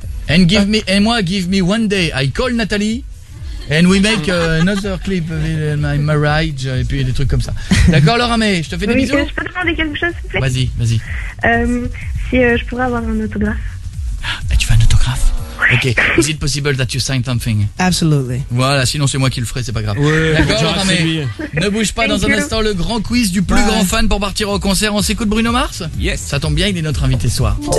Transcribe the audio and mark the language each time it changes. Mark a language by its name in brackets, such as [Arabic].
[English] And give me, [French] et moi, [English] give me 1 day. I call Nathalie. And we make another clip of my marriage. [French] Et puis des trucs comme ça. D'accord, Laura May, je te fais des bisous. Je peux te demander quelque chose, s'il te plaît? Vas-y, vas-y. Si je pourrais avoir un autographe. Tu veux un autographe? [English] Ok, is it possible that you sign something? Absolutely. [French] Voilà, sinon c'est moi qui le ferai, c'est pas grave. Ouais, d'accord, Laura May. Ne bouge pas, dans un instant, le grand quiz du plus grand fan pour partir au concert. On s'écoute Bruno Mars? [English] Yes. [French] Ça tombe bien, il est notre invité ce soir.